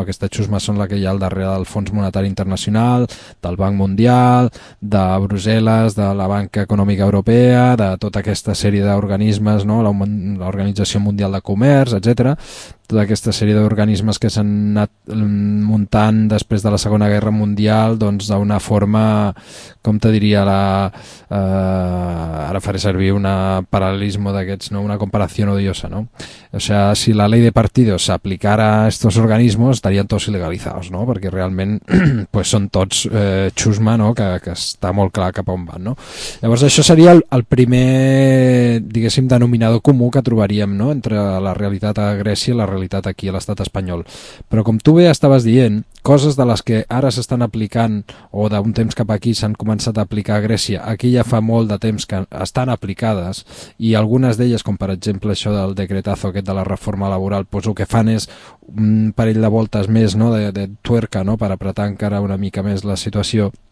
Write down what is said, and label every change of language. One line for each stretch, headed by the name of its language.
Catalan: Aquesta xusma són la que hi ha al darrere del Fons Monetari Internacional, del Banc Mundial, de Brussel·les, de la Banca Econòmica Europea, de tota aquesta sèrie d'organismes, no, l'Organització Mundial de Comerç, etc. Tota aquesta sèrie d'organismes que s'han anat muntant després de la Segona Guerra Mundial, doncs d'una forma, com te diria, ara faré servir un paral·lelismo d'aquests, no? Una comparació odiosa, no?
Spanish: O sea, si la ley de partidos
Catalan: s'aplicara
Spanish: a estos organismos, estarían todos ilegalizados, no?
Catalan: Perquè realment pues són tots xusma, no? Que està molt clar cap on van, no? Llavors això seria el primer, diguéssim, denominador comú que trobaríem, no? Entre la realitat a Grècia i la realitat aquí a l'estat espanyol. Però com tu bé estaves dient, coses de les que ara s'estan aplicant o d'un temps cap aquí s'han començat a aplicar a Grècia, aquí ja fa molt de temps que estan aplicades, i algunes d'elles, com per exemple això del decretazo aquest de la reforma laboral, doncs el que fan és un parell de voltes més, no,
Spanish: de tuerca,
Catalan: no, per apretar encara una mica més la situació.